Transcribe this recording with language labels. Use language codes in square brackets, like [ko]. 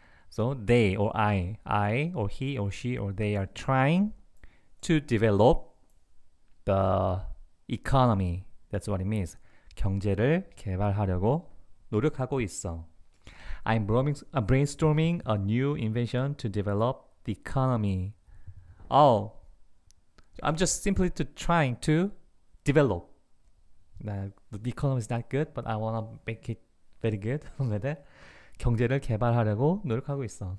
[en] So they or I or he or she or they are trying to develop the economy. That's what it means. [ko] 경제를 개발하려고 노력하고 있어. [en] I'm brainstorming a new invention to develop the economy. Oh, I'm just simply trying to develop. The economy is not good, but I want to make it very good. [ko] 그런데 경제를 개발하려고 노력하고 있어.